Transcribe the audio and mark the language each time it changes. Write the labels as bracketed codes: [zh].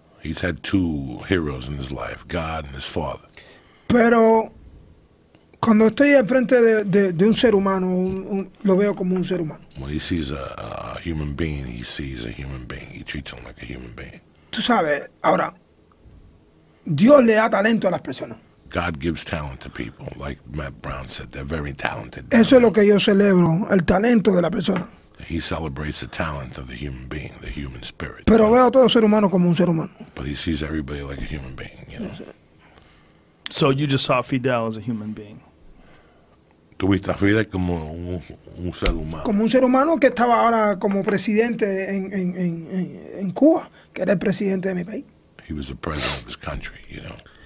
[en] He's had two heroes in his life, God and his father. [es] Pero cuando estoy enfrente de un ser humano, lo veo como un ser humano. [en] When he sees a human being, he sees a human being. He treats him like a human being. [es] Tú sabes, ahora, Dios le da talento a las personas. [en] God gives talent to people, like Matt Brown said. They're very talented. [es] Eso es lo que yo celebro, el talento de la persona. [en] He celebrates the talent of the human being, the human spirit. [es] Pero veo a todo ser humano como un ser humano. [en] But he sees everybody like a human being, you know. So you just saw Fidel as a human being. [es] Tú viste a Fidel como un ser humano. Como un ser humano que estaba ahora como presidente en Cuba, que era el presidente de mi país. [en] He was the president of his country, you know.